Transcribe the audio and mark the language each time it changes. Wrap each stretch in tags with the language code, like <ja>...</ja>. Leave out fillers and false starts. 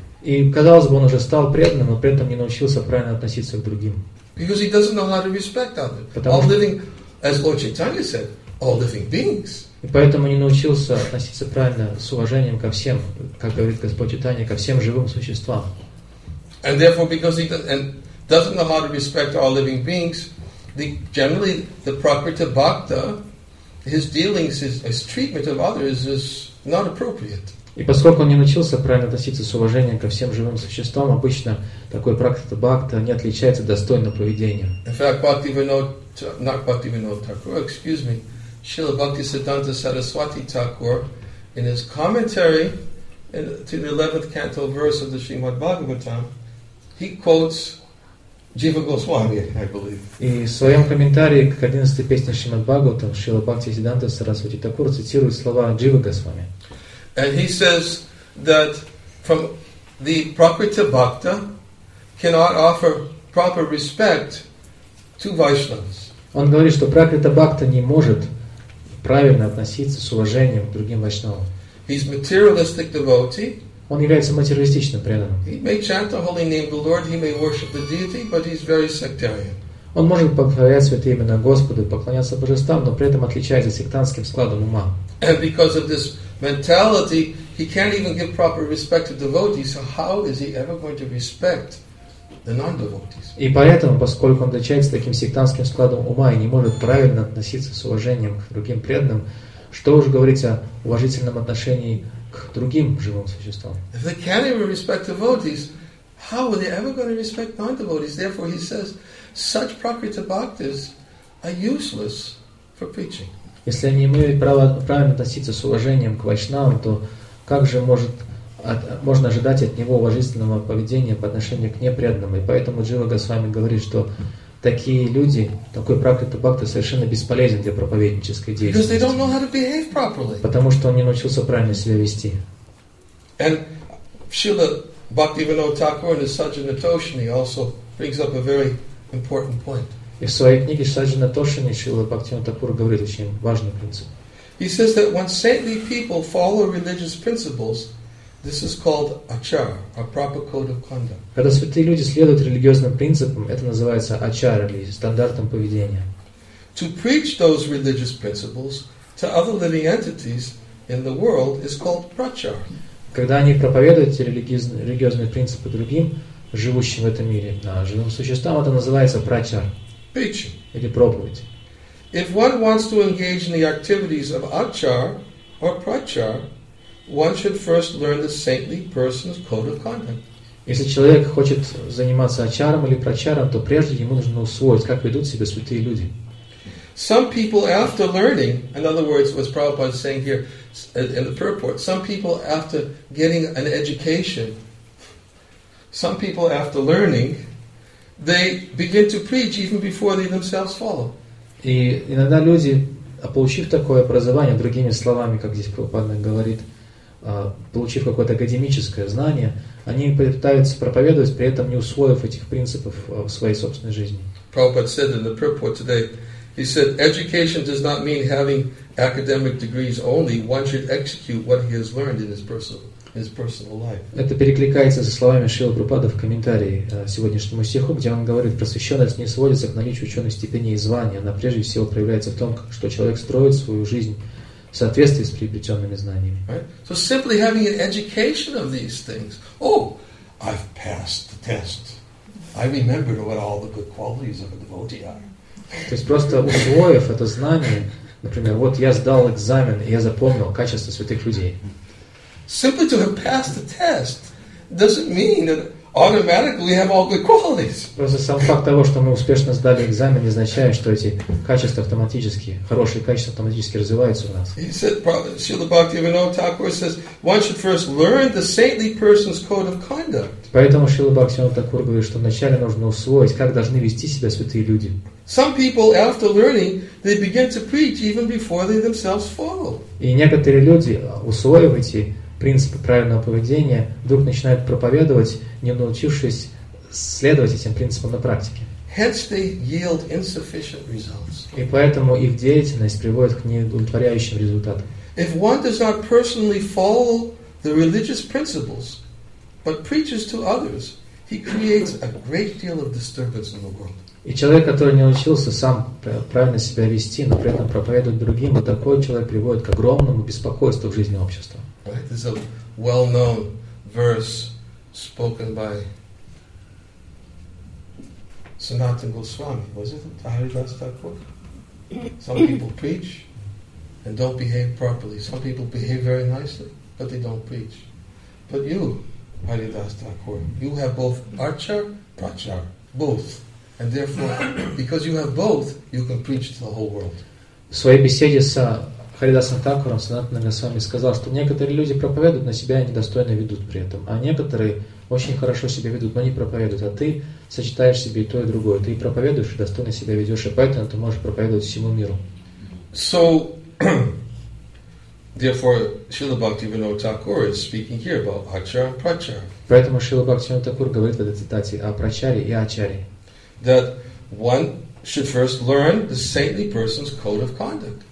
<ru>И, казалось бы, он уже стал преданным, но при этом не научился правильно относиться к другим.</ru> <en>Because he doesn't know how to respect others. All living, as Lord Chaitanya said, all living beings.</en> <ru>И поэтому не научился относиться правильно с уважением ко всем, как говорит Господь Чайтанья, ко всем живым существам.</ru> <en>And therefore, because he doesn't know how to respect all living beings, generally the Prakriti Bhakta, his dealings, his treatment of others is not appropriate.</en> <ru>И поскольку он не научился правильно относиться с уважением ко всем живым существам, обычно такой Прakriti Bhakta не отличается достойным поведением.</ru> <en>In fact, Srila Bhaktisiddhanta Saraswati Thakur, in his commentary to the 11th canto verse of the Srimad Bhagavatam, he quotes Jiva Goswami, I believe.</en> <ru>И в своем комментарии к 11-й песне Шримад Бхагаватам Шрила Бхактисиддханта Сарасвати Такур цитирует слова Джива Госвами.</ru> <en>And he says that from the Prakriti Bhakta cannot offer proper respect to Vaishnavas.</en> <ru>Он говорит, что Prakriti Bhakta не может правильно относиться с уважением к другим вайшнавам.</ru> <en>He's materialistic devotee.</en> <ru>Он является материалистичным преданным.</ru> <en>He may chant the holy name of the Lord, he may worship the deity, but he's very sectarian.</en> <ru>Он может повторять святые имена Господа, поклоняться божествам, но при этом отличается сектантским складом ума.</ru> <en>And because of this mentality, he can't even give proper respect to devotees. So how is he ever going to respect the non-devotees?</en> <ru>И поэтому, поскольку он отличается таким сектантским складом ума и не может правильно относиться с уважением к другим преданным, что уж говорить о уважительном отношении к другим живым существам?</ru> <en>If they can't even respect devotees, how are they ever going to respect non-devotees? Therefore, he says, such Prakriti Bhaktas are useless for preaching.</en> <ru>Если они не имеют права правильно относиться с уважением к вайшнавам, то как же может можно ожидать от него уважительного поведения по отношению к непреданным. И поэтому Джива Госвами говорит, что такие люди, такой Пракрита Бхакта совершенно бесполезен для проповеднической деятельности. Потому что он не научился правильно себя вести.</ru> <en>And Srila Bhaktivinoda Thakur in his Саджана Тошини also brings up a very important point.</en> <ru>И в своей книге Саджана Тошини Шрила Бхактивинода Такур говорит очень важный принцип.</ru> <en>He says that when saintly people follow religious principles, this is called achara, a proper code of conduct.</en> <ru>Когда святые люди следуют религиозным принципам, это называется ачара, или стандартом поведения.</ru> <en>To preach those religious principles to other living entities in the world is called prachar.</en> <ru>Когда они проповедуют религиозные принципы другим, живущим в этом мире, живым существам, это называется прачар.</ru> <en>Preaching.</en> <ru>Или проповедь.</ru> <en>If one wants to engage in the activities of achar or prachar, one should first learn the saintly person's code of conduct.</en> <ru>Если человек хочет заниматься ачаром или прачаром, то прежде ему нужно усвоить, как ведут себя святые люди.</ru> <en>Some people after learning, in other words, what Prabhupada is saying here in the purport, some people after getting an education, some people after learning, they begin to preach even before they themselves follow.</en> <ru>И иногда люди, получив такое образование, другими словами, как здесь Прабхупада говорит, получив какое-то академическое знание, они пытаются проповедовать, при этом не усвоив этих принципов в своей собственной жизни.</ru> <en>Prabhupada said in the purport today, he said, education does not mean having academic degrees only. One should execute what he has learned in his personal life.</en> <ru>Это перекликается со словами Шрилы Прабхупады в комментарии сегодняшнему стиху, где он говорит, просвещенность не сводится к наличию ученых степеней и званий. Она прежде всего проявляется в том, что человек строит свою жизнь в соответствии с приобретенными знаниями.</ru> <en>Right? So simply having an education of these things. Oh, I've passed the test. I remember what all the good qualities of a devotee are.</en> <ru>То есть просто усвоив это знание, например, вот я сдал экзамен, и я запомнил качество святых людей.</ru> <en>Simply to have passed the test doesn't mean that automatically we have all good qualities.</en> <ru>Просто сам факт того, что мы успешно сдали экзамен, не означает, что эти качества автоматически, хорошие качества автоматически развиваются у нас.</ru> <en>He said, Srila Bhaktivinoda Thakur says, one should first learn the saintly person's code of conduct.</en> <ru>Поэтому Шрила Бхактивинода Такур говорит, что вначале нужно усвоить, как должны вести себя святые люди.</ru> <en>Some people, after learning, they begin to preach even before they themselves follow.</en> <ru>И некоторые люди, усвоив эти принципы правильного поведения, вдруг начинают проповедовать, не научившись следовать этим принципам на практике.</ru> <en>Hence they yield insufficient results.</en> <ru>И поэтому их деятельность приводит к неудовлетворяющим результатам.</ru> <en>If one does not personally follow the religious principles, but preaches to others, he creates a great deal of disturbance in the world.</en> <ru>И человек, который не научился сам правильно себя вести, но при этом проповедует другим, вот такой человек приводит к огромному беспокойству в жизни общества.</ru> <en>Right? This is a well-known verse spoken by Sanatana Goswami. Was it Haridas Thakur? Some people preach and don't behave properly. Some people behave very nicely, but they don't preach. But you, Haridas Thakur, you have both archar, prachar, both. And therefore, because you have both, you can preach to the whole world.</en> <ru>В своей беседе с Харидасом Такуром Санатана Госвами сказал, что некоторые люди проповедуют, но себя недостойно ведут при этом. А некоторые очень хорошо себя ведут, но не проповедуют. А ты сочетаешь себе и то, и другое. Ты проповедуешь, и достойно себя ведешь, и поэтому ты можешь проповедовать всему миру.</ru> <en>So, therefore, Srila Bhaktivinoda Thakur is speaking here about achara and prachara.</en> <ru>Поэтому Srila Bhaktivinoda Thakur говорит в этой цитате о прачаре и ачаре.</ru> <en>That one should first learn the saintly person's code of conduct.</en>